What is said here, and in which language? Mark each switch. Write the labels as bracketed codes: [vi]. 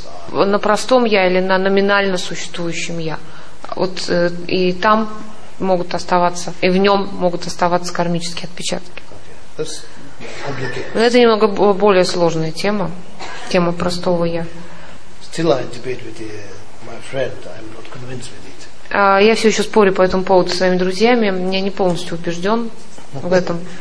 [ru] На простом я или на номинально существующем я. Вот и там могут оставаться, и в нем могут оставаться кармические отпечатки. [en] Okay. [ru] Это немного более сложная тема, тема простого я. [en] Still I debate with my friend. I'm not convinced with it. [ru] Я все еще спорю по этому поводу с своими друзьями. Я не полностью убежден в этом.